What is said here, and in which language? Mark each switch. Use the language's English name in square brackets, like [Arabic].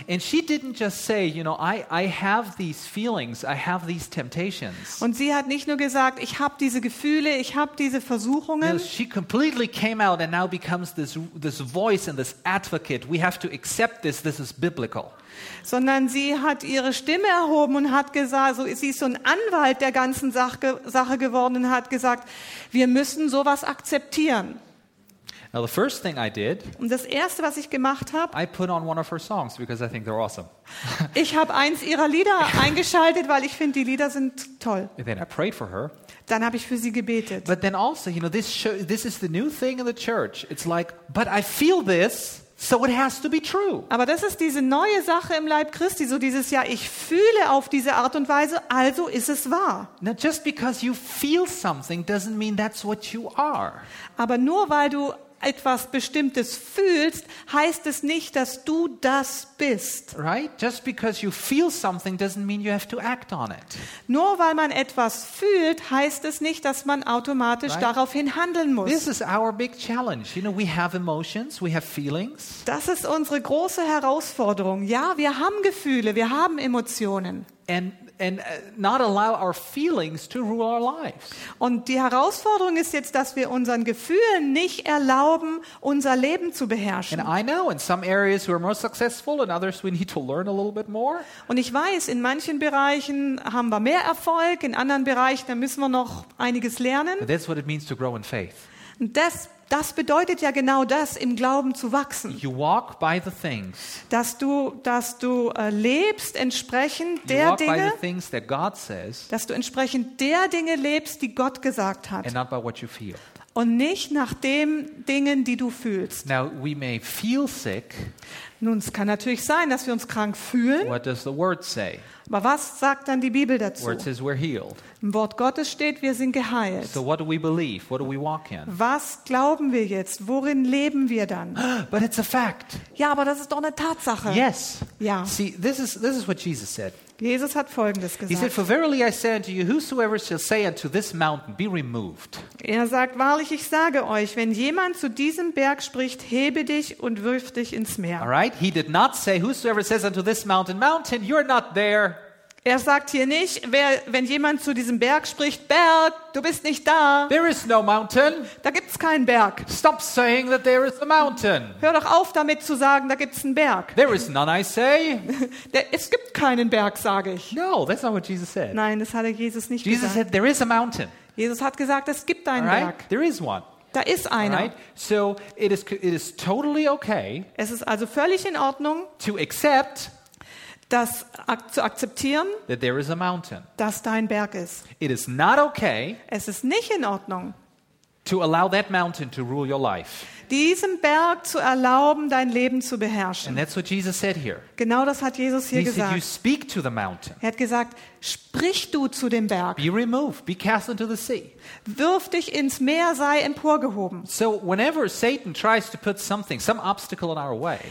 [English] And she didn't just say, you know, I have these feelings, I have these temptations. [German] Und sie hat nicht nur gesagt, ich habe diese Gefühle, ich habe diese Versuchungen. [English] No, she completely came out and now becomes this voice and this advocate. We have to accept this. This is biblical. [German] Sondern sie hat ihre Stimme erhoben und hat gesagt, so, sie ist so ein Anwalt der ganzen Sache geworden und hat gesagt, wir müssen sowas akzeptieren. [English] Now the first thing I did, [German] und das Erste, was ich gemacht habe, [English] I put on one of her songs because I think they're awesome. [German] Ich habe eins ihrer Lieder eingeschaltet, weil ich finde, die Lieder sind toll. [English] And then I prayed for her. [German] Dann habe ich für sie gebetet. [English] But then also, you know, this is the new thing in the church. It's like, but I feel this. So it has to be true. [German] Aber das ist diese neue Sache im Leib Christi, so dieses ja, ich fühle auf diese Art und Weise, also ist es wahr. [English] Now just because you feel something doesn't mean that's what you are. [German] Aber nur weil du etwas Bestimmtes fühlst, heißt es nicht, dass du das bist. [English] Right? Just because you feel something doesn't mean you have to act on it. [German] Nur weil man etwas fühlt, heißt es nicht, dass man automatisch [English] right? [German] daraufhin handeln muss. [English] This is our big challenge. You know, we have emotions, we have feelings. [German] Das ist unsere große Herausforderung. Ja, wir haben Gefühle, wir haben Emotionen. [English] And not allow our feelings to rule our lives. [German] Und die Herausforderung ist jetzt, dass wir unseren Gefühlen nicht erlauben, unser Leben zu beherrschen. [English] And I know in some areas we're more successful, in others we need to learn a little bit more. [German] Und ich weiß, in manchen Bereichen haben wir mehr Erfolg, in anderen Bereichen da müssen wir noch einiges lernen. [English] But that's what it means to grow in faith. [German] Und das bedeutet ja genau das, im Glauben zu wachsen. [English] You walk by the things. [German] Dass du lebst entsprechend der Dinge. [English] You walk by the things that God says. [German] Dass du entsprechend der Dinge lebst, die Gott gesagt hat. [English] And not by what you feel. [German] Und nicht nach den Dingen, die du fühlst. [English] Now we may feel sick. [German] Nun, es kann natürlich sein, dass wir uns krank fühlen. [English] What does the word say? [German] Aber was sagt dann die Bibel dazu? [English] Word says we're healed. [German] Im Wort Gottes steht, wir sind geheilt. [English] So what do we believe? What do we walk in? [German] Was glauben wir jetzt? Worin leben wir dann? [English] But it's a fact. [German] Ja, aber das ist doch eine Tatsache. [English] Yes. [German] Ja. [English] See, this is what Jesus said. [German] Jesus hat Folgendes gesagt. [English] He said, "For verily I say unto you, whosoever shall say unto this mountain, be removed." [German] Er sagt, wahrlich, ich sage euch, wenn jemand zu diesem Berg spricht, hebe dich und wirf dich ins Meer. [English] All right. He did not say, "Whosoever says unto this mountain, mountain, you're not there." [German] Er sagt hier nicht, wenn jemand zu diesem Berg spricht, Berg, du bist nicht da. [English] There is no mountain. [German] Da gibt's keinen Berg. [English] Stop saying that there is a mountain. [German] Hör doch auf, damit zu sagen, da gibt's einen Berg. [English] There is none, I say. [German] Es gibt keinen Berg, sage ich. [English] No, that's not what Jesus said. [German] Nein, das hat er Jesus nicht Jesus gesagt. [English] Jesus said, there is a mountain. [German] Jesus hat gesagt, es gibt einen [English] right? [German] Berg. [English] There is one. [German] Da ist einer. [English] Right? So it is totally okay. [German] Es ist also völlig in Ordnung. [English] To accept. [German] Das zu akzeptieren, [English] that there is a mountain. [German] Dass da ein Berg ist. [English] It is not okay. [German] Es ist nicht in Ordnung. [English] To allow that mountain to rule your life. [German] Diesem Berg zu erlauben, dein Leben zu beherrschen. [English] And that's what Jesus said here. [German] Genau das hat Jesus hier gesagt. [English] He said, "You speak to the mountain." [German] Er hat gesagt, sprich du zu dem Berg. [English] Be removed, be cast into the sea. [German] Wirf dich ins Meer, sei emporgehoben. [English] So whenever Satan tries to put something, some obstacle in our way.